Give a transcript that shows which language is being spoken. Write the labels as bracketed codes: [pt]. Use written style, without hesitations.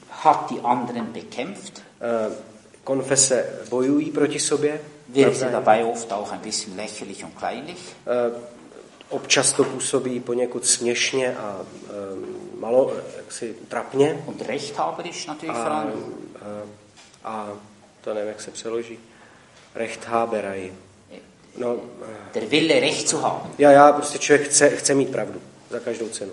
[de] Hat die anderen bekämpft. [cs] Konfese bojují proti sobě. [de] Wir sind dabei oft auch ein bisschen lächerlich und kleinlich. [cs] Občas to působí poněkud směšně a malo jaksi trapně. [de] Und rechthaberisch natürlich vor allem. [cs] A to nevím, jak se přeloží. [de] Rechthaberei. No, der Wille recht zu haben. [cs] Ja, prostě člověk chce mít pravdu za každou cenu.